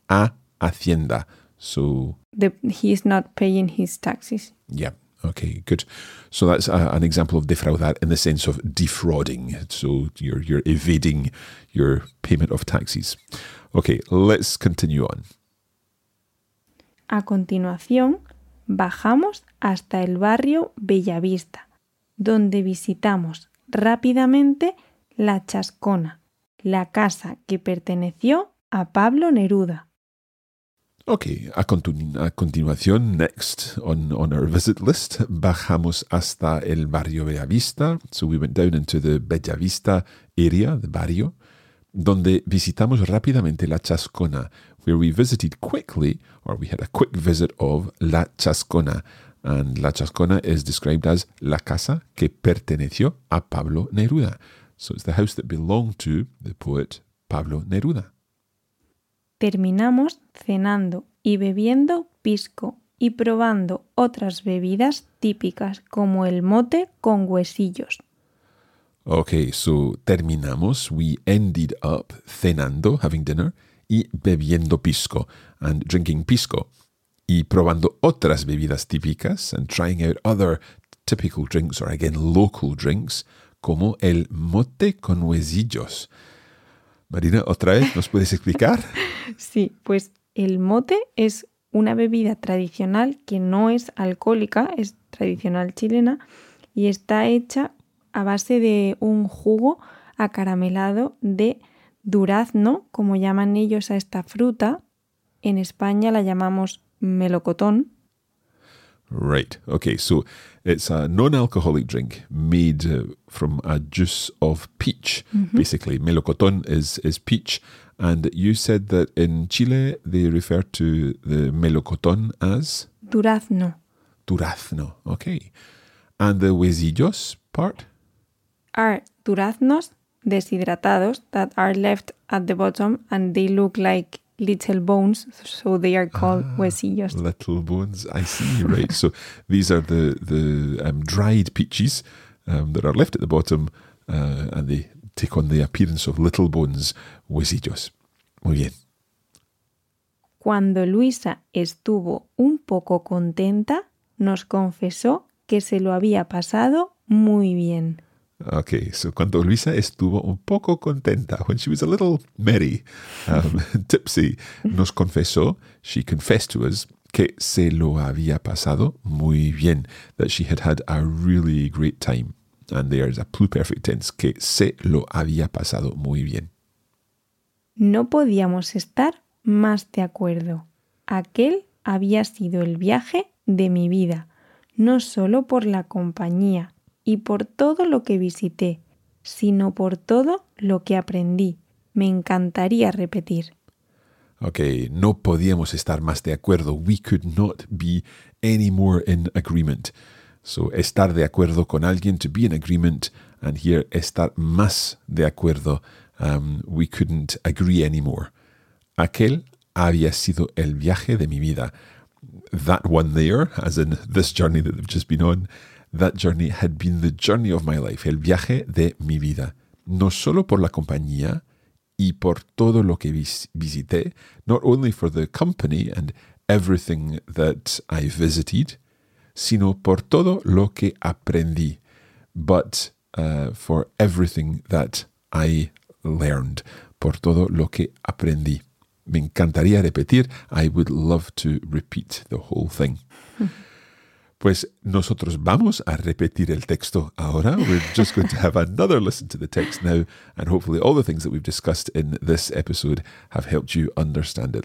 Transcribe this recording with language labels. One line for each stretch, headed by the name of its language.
Spanish: A Hacienda, so...
English: He is not paying his taxes. Yeah, okay, good. So that's an example of defraudar in the sense of defrauding. So you're evading your payment of taxes. Okay, let's continue on.
Spanish: A continuación, bajamos hasta el barrio Bellavista, donde visitamos rápidamente la Chascona, la casa que perteneció a Pablo Neruda.
English: Okay,
Spanish: a continuación,
English: next on our visit list,
Spanish: bajamos hasta el barrio Bellavista.
English: So we went down into the Bellavista area, the barrio,
Spanish: donde visitamos rápidamente la Chascona,
English: where we visited quickly, or we had a quick visit of la Chascona. And La Chascona is described as
Spanish: la casa que perteneció a Pablo Neruda.
English: So it's the house that belonged to the poet Pablo Neruda.
Spanish: Terminamos cenando y bebiendo pisco y probando otras bebidas típicas como el mote con huesillos.
English: Okay, so
Spanish: terminamos,
English: we ended up
Spanish: cenando,
English: having dinner,
Spanish: y bebiendo pisco,
English: and drinking pisco.
Spanish: Y probando otras bebidas típicas
English: and trying out other typical drinks or, again, local drinks,
Spanish: como el mote con huesillos. Marina, ¿otra vez nos puedes explicar? Sí, pues el mote es una bebida tradicional que no es alcohólica, es tradicional chilena, y está hecha a base de un jugo acaramelado de durazno, como llaman ellos a esta fruta. En España la llamamos melocotón.
English: Right. Okay. So it's a non-alcoholic drink made from a juice of peach, basically. Melocotón is peach. And you said that in Chile, they refer to the melocotón as?
Spanish: Durazno.
English: Durazno. Okay. And the huesillos part? Are duraznos deshidratados that are left at the bottom and they look like little bones, so they are called huesillos. Little bones, I see, right. So these are the dried peaches that are left at the bottom and they take on the appearance of little bones, huesillos.
Spanish: Muy bien. Cuando Luisa estuvo un poco contenta, nos confesó que se lo había pasado muy bien.
English: Okay, so
Spanish: cuando Luisa estuvo un poco contenta,
English: when she was a little merry, tipsy,
Spanish: nos confesó,
English: she confessed to us,
Spanish: que se lo había pasado muy bien,
English: that she had had a really great time. And there is a pluperfect tense,
Spanish: que se lo había pasado muy bien. No podíamos estar más de acuerdo. Aquel había sido el viaje de mi vida, no solo por la compañía, y por todo lo que visité, sino por todo lo que aprendí. Me encantaría repetir. Okay, no podíamos estar más de acuerdo.
English: We could not be any more in agreement. So,
Spanish: estar de acuerdo con alguien,
English: to be in agreement. And here,
Spanish: estar más de acuerdo.
English: We couldn't agree anymore.
Spanish: Aquel había sido el viaje de mi vida.
English: That one there, as in this journey that they've just been on, that journey had been the journey of my life,
Spanish: el viaje de mi vida. No solo por la compañía y por todo lo que visité,
English: not only for the company and everything that I visited,
Spanish: sino por todo lo que aprendí,
English: but for everything that I learned,
Spanish: por todo lo que aprendí. Me encantaría repetir.
English: I would love to repeat the whole thing.
Spanish: Pues nosotros vamos a repetir el texto ahora.
English: We're just going to have another listen to the text now, and hopefully all the things that we've discussed in this episode have helped you understand it.